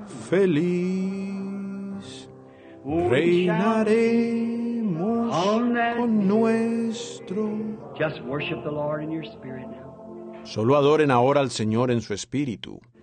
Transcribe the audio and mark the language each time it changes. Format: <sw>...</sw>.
<es>feliz reinaremos con nuestro.</es> <en>Just worship the Lord in your spirit now.</en> <es>Solo adoren ahora al Señor en su espíritu.</es>